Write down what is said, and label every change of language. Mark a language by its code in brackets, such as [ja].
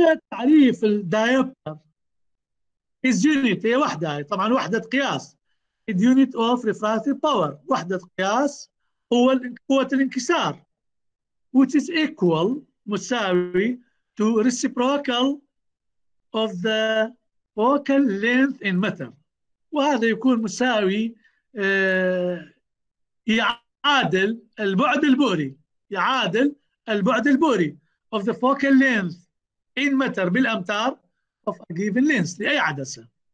[ar] تعريف الدايوبتر [en] is unit، [ar] هي وحدة، طبعا وحدة قياس [en] unit of refractive power، [ar] وحدة قياس قوة الانكسار، [en] which is equal، [ar] مساوي [en] to reciprocal of the focal length in matter. [ar] وهذا يكون مساوي يعادل البعد البؤري، يعادل البعد البؤري [en] of the focal length in matter [ar] بالأمتار [en] of a given lens [ar] لأي عدسة.